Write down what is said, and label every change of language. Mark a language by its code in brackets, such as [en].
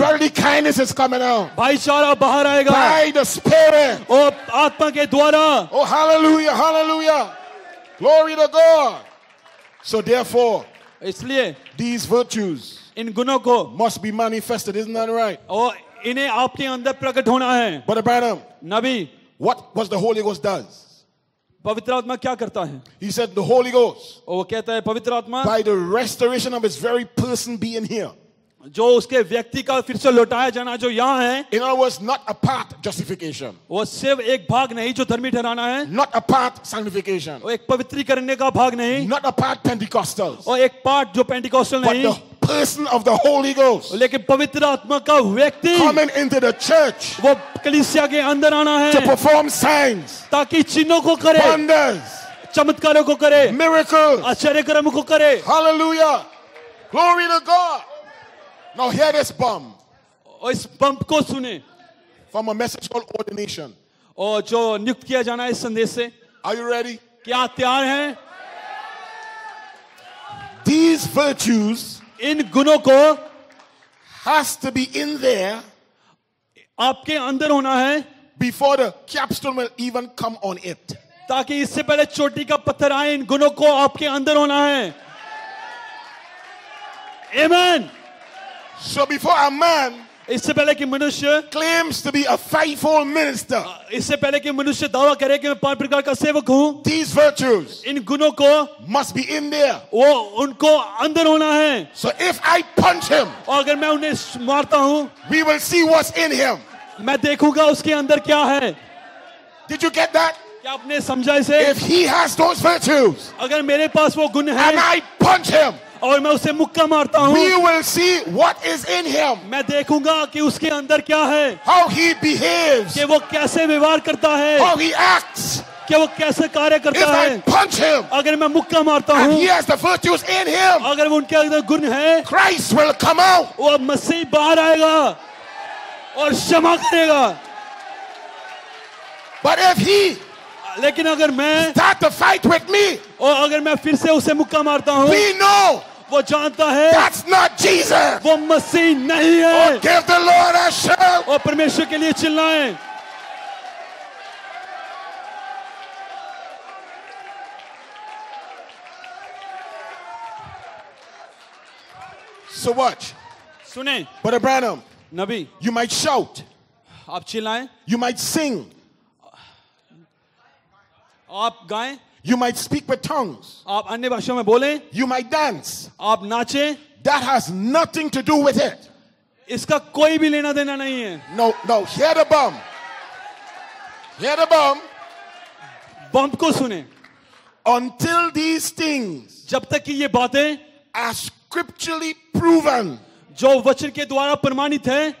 [en] brotherly kindness is coming out, [hi] भाईचारा बाहर आएगा, [en] by the spirit, [hi] और आत्मा के द्वारा, [en] oh hallelujah. Hallelujah, hallelujah. Glory to God. So therefore, [hi] इसलिए, [en] these virtues [hi] इन गुणों को, [en] must be manifested, isn't that right? [hi] और इन्हें आपके अंदर प्रकट होना है. [en] But Abraham, [hi] Nabi, [en] what was the Holy Ghost does? [hi] पवित्र आत्मा क्या करता है? [en] He said the Holy Ghost, [hi] और वो कहता है पवित्र आत्मा, [en] by the restoration of his very person being here, [hi] जो उसके व्यक्ति का फिर से लौटाया जाना जो यहाँ है. [en] In other words, not a part justification. [hi] वो सिर्फ एक भाग नहीं जो धर्मी ठहराना है. [en] Not a part sanctification. [hi] वो एक पवित्रीकरण का भाग नहीं. [en] Not a part Pentecostal. [hi] और एक पार्ट जो पेंटिकॉस्टल नहीं. [en] But the person of the Holy Ghost. [hi] लेकिन पवित्र आत्मा का व्यक्ति. [en] Coming into the church. [hi] वो कलीसिया के अंदर आना है. [en] To perform signs. [hi] ताकि चिन्हों को करे. [en] Wonders. [hi] चमत्कारों को करे. [en] Miracles. [hi] आश्चर्यकर्म को करे. [en] Hallelujah. Glory to God. Now hear this bump. [hi] और इस बम्प को सुने. [en] From a message called ordination. [hi] और जो नियुक्त किया जाना है इस संदेश से. [en] Are you ready? [hi] क्या आप तैयार हैं? [en] These virtues, [hi] इन गुणों को, [en] has to be in there, [hi] आपके अंदर होना है, [en] before the capstone will even come on it. [hi] ताकि इससे पहले चोटी का पत्थर आए इन गुणों को आपके अंदर होना है. [en] Amen. So before a man, [hi] इससे पहले कि मनुष्य, [en] claims to be a fivefold minister, [hi] इससे पहले कि मनुष्य दावा करे कि मैं पांच प्रकार का सेवक हूं, [en] these virtues, [hi] इन गुणों को, [en] must be in there, [hi] वो उनको अंदर होना है. [en] So if I punch him, [hi] और अगर मैं उन्हें मारता हूं, [en] we will see what's in him, [hi] मैं देखूंगा उसके अंदर क्या है. [en] Did you get that? [hi] क्या आपने समझा इसे? [en] If he has those virtues, [hi] अगर मेरे पास वो गुण है, [en] and I punch him, [hi] और मैं उसे मुक्का मारता हूं, [en] we will see what is in him, [hi] मैं देखूंगा कि उसके अंदर क्या है, [en] how he behaves, [hi] कि वो कैसे व्यवहार करता है, [en] how he acts, [hi] कि वो कैसे कार्य करता [en] if [hi] है, [en] I punch him, [hi] अगर मैं मुक्का मारता हूं, [en] he has the virtues in him, [hi] अगर उनके अंदर गुण है, [en] Christ will come out, [hi] वो मसीह बाहर आएगा और क्षमा करेगा. [en] But if he, [hi] लेकिन अगर मैं, [en] start the fight with me, [hi] और अगर मैं फिर से उसे मुक्का मारता हूं, [en] we know, [hi] वो जानता है, [en] that's not Jesus, [hi] वो मसीह नहीं है. [en] Oh, give the Lord a shout, [hi] और परमेश्वर के लिए चिल्लाएं. [en] So watch, [hi] सुने, [en] Brother Branham, [hi] Nabi, [en] you might shout, [hi] आप चिल्लाएं, [en] you might sing, [hi] आप गाएं, [en] you might speak with tongues, [hi] आप अन्य भाषाओं में बोलें, [en] you might dance, [hi] आप नाचें, [en] that has nothing to do with it, [hi] इसका कोई भी लेना देना नहीं है. [en] No, no, hear the bomb, [hi] बम को सुने, [en] until these things, [hi] जब तक कि ये बातें, [en] are scripturally proven, [hi] जो वचन के द्वारा प्रमाणित है,